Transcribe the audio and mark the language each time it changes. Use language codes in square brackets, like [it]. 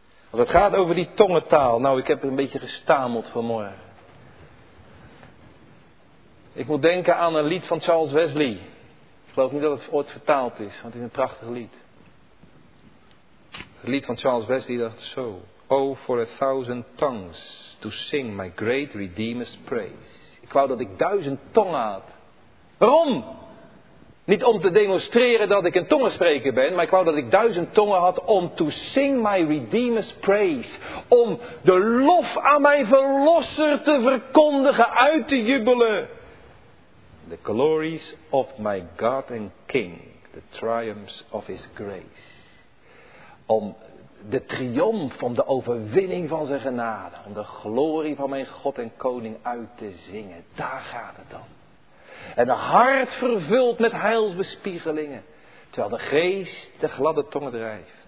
[nl] Als het gaat over die tongentaal. Nou, ik heb er een beetje gestameld vanmorgen. Ik moet denken aan een lied van Charles Wesley. Ik geloof niet dat het ooit vertaald is, want het is een prachtig lied. Het lied van Charles Wesley dacht zo. [en] Oh, for a thousand tongues to sing my great Redeemer's praise. [nl] Ik wou dat ik 1000 tongen had. Waarom? Niet om te demonstreren dat ik een tongenspreker ben, maar ik wou dat ik 1000 tongen had om [en] to sing my Redeemer's praise. [nl] Om de lof aan mijn verlosser te verkondigen, uit te jubelen. [en] The glories of my God and King, the triumphs of his grace. [nl] Om de triomf, om de overwinning van zijn genade, om de glorie van mijn God en Koning uit te zingen. Daar gaat het om. En de hart vervuld met heilsbespiegelingen. Terwijl de geest de gladde tongen drijft.